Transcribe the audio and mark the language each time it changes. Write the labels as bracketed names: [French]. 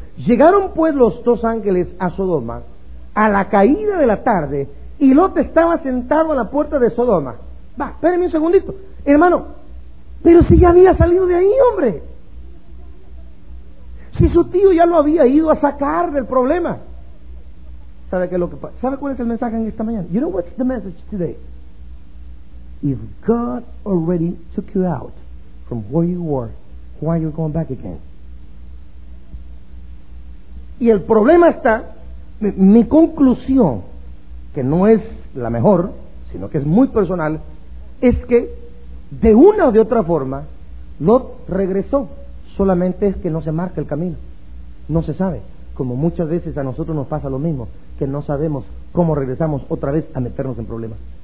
[Spanish] Llegaron pues los dos ángeles a Sodoma a la caída de la tarde, y Lot estaba sentado a la puerta de Sodoma. Va, espérenme un segundito, hermano. Pero si ya había salido de ahí, hombre. Si su tío ya lo había ido a sacar del problema. ¿Sabe qué es lo que pasa? ¿Sabe cuál es el mensaje en esta mañana? [English] You know what's the message today? If God already took you out from where you were, why are you going back again? [Spanish] Y el problema está, mi conclusión, que no es la mejor, sino que es muy personal, es que de una o de otra forma, Lot regresó. Solamente es que no se marca el camino. No se sabe. Como muchas veces a nosotros nos pasa lo mismo, que no sabemos cómo regresamos otra vez a meternos en problemas.